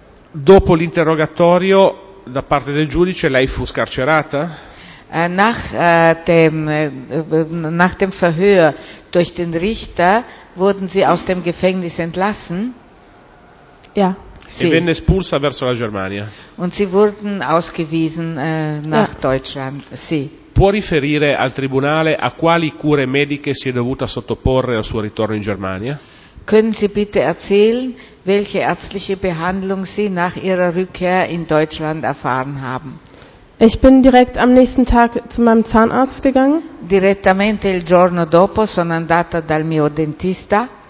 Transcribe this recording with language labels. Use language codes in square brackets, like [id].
[it] Dopo l'interrogatorio da parte del giudice lei fu scarcerata? [de] Nach dem Verhör durch den Richter wurden sie aus dem Gefängnis entlassen? Ja. [it] Sì. E venne espulsa verso la Germania. [de] Und sie wurden ausgewiesen nach Deutschland. [it] Sì. Può riferire al tribunale a quali cure mediche si è dovuta sottoporre al suo ritorno in Germania? [de] Können Sie bitte erzählen, welche ärztliche Behandlung Sie nach Ihrer Rückkehr in Deutschland erfahren haben? Ich bin direkt am nächsten Tag zu meinem Zahnarzt gegangen. [it] Direttamente il giorno dopo sono andata dal mio dentista.